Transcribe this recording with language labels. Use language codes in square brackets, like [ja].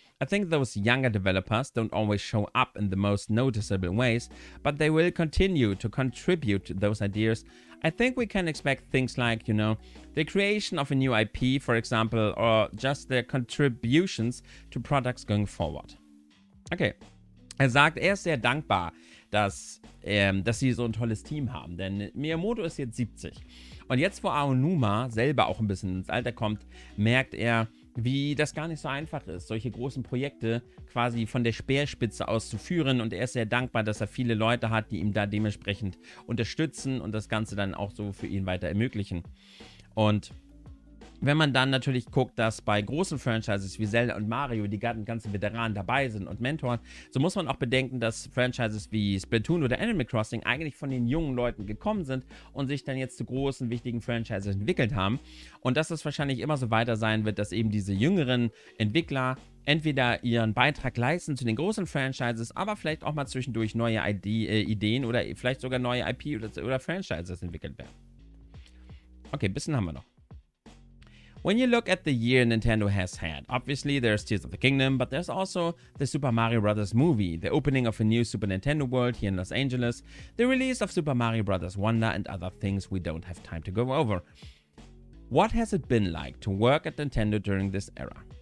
[en] I think those younger developers don't always show up in the most noticeable ways, but they will continue to contribute to those ideas. I think we can expect things like, you know, the creation of a new IP, for example, or just their contributions to products going forward. Okay. [de] Sagt, ist sehr dankbar, dass sie so ein tolles Team haben, denn Miyamoto ist jetzt 70. Und jetzt, wo Aonuma selber auch ein bisschen ins Alter kommt, merkt wie das gar nicht so einfach ist, solche großen Projekte quasi von der Speerspitze aus zu führen. Und er ist sehr dankbar, dass er viele Leute hat, die ihm da dementsprechend unterstützen und das Ganze dann auch so für ihn weiter ermöglichen. Und wenn man dann natürlich guckt, dass bei großen Franchises wie Zelda und Mario die ganzen Veteranen dabei sind und Mentoren, so muss man auch bedenken, dass Franchises wie Splatoon oder Animal Crossing eigentlich von den jungen Leuten gekommen sind und sich dann jetzt zu großen, wichtigen Franchises entwickelt haben. Und dass es wahrscheinlich immer so weiter sein wird, dass eben diese jüngeren Entwickler entweder ihren Beitrag leisten zu den großen Franchises, aber vielleicht auch mal zwischendurch neue Ideen oder vielleicht sogar neue IP oder Franchises entwickelt werden. Okay, ein bisschen haben wir noch. [en] When you look at the year Nintendo has had, obviously there's Tears of the Kingdom, but there's also the Super Mario Bros. Movie, the opening of a new Super Nintendo World here in Los Angeles, the release of Super Mario Bros. Wonder, and other things we don't have time to go over. What has it been like to work at Nintendo during this era?